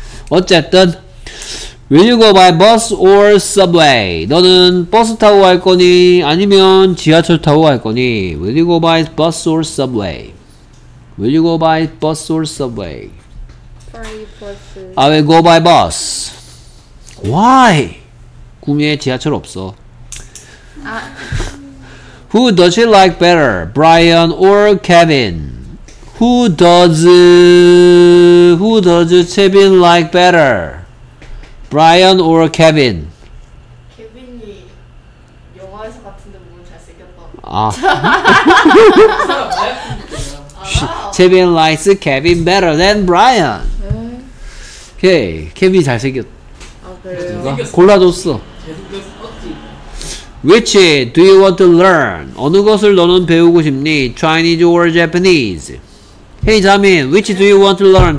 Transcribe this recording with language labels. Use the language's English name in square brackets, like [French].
[Korean] 어쨌든 [English] Will you go by bus or subway? [Korean] 너는 버스 타고 갈 거니 아니면 지하철 타고 갈 거니? [English] Will you go by bus or subway? Will you go by bus or subway? Bus. I will go by bus. Why? [Korean] 구미에 지하철 없어. 아. [English] Who does she like better? Brian or Kevin? Who does 채빈 like better? Brian or Kevin? [Korean] 케빈이 영화에서 같은데 뭔가 잘생겼다. 아. [English] Kevin likes Kevin better than Brian. Okay, Kevin [Korean] 잘생겼. 아 그래요? 골라줬어. 계속 [English] Which do you want to learn? [Korean] 어느 것을 너는 배우고 싶니? [English] Chinese or Japanese? Hey, Jamin, which do you want to learn?